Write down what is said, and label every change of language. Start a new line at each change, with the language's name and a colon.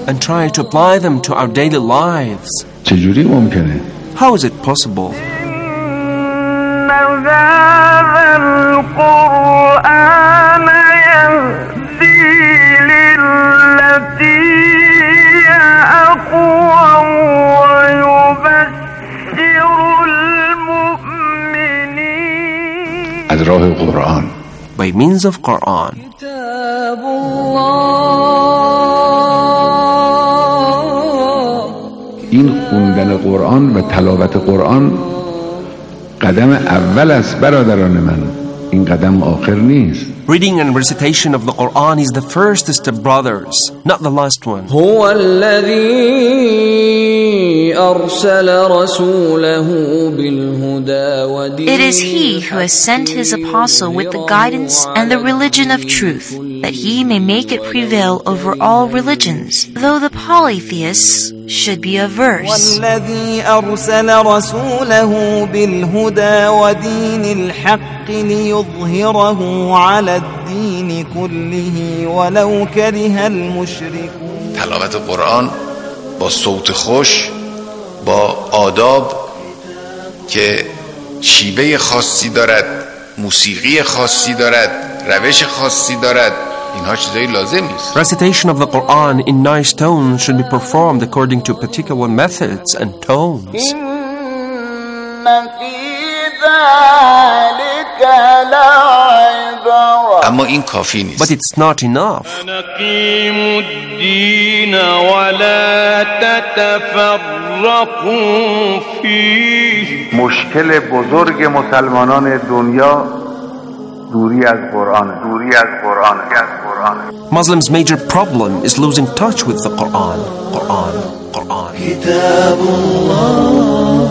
English: And try to apply them to our daily lives.
Persian: چجوری ممکنه؟
English: How is it possible?
Arabic: نزل القرآن يهدي للتي أقوم ويبشر المؤمنين.
Persian: از راه قرآن.
English: By means of Quran.
Persian: این خوندن قرآن و تلاوت قرآن قدم اول است برادران من، این قدم آخر نیست.
English: Reading and recitation of the Quran is the first step, brothers, not the last one.
Arabic: هو الذي أرسل رسوله بالهدى ودين.
English: It is he who has sent his apostle with the guidance and the religion of truth, that he may make it prevail over all religions, though the polytheists should be averse.
Arabic: والذي أرسل رسوله بالهدى ودين الحق ليظهره على الدين كله ولو كره المشركون.
Persian: تلاوت القرآن با صوت خوش، با آداب که شیوه خاصی دارد، موسیقی خاصی دارد، روش خاصی دارد، اینها چیزایی لازم است.
English: Recitation of the Quran in nice tones should be performed according to particular methods and tones.
Persian: اما این کافی نیست.
English: But it's not enough.
Persian: مشکل بزرگ مسلمانان دنیا دوری از قرآن. دوری از قرآن.
English: Muslims' major problem is losing touch with the Quran. Quran. Quran.
Arabic: كتاب الله.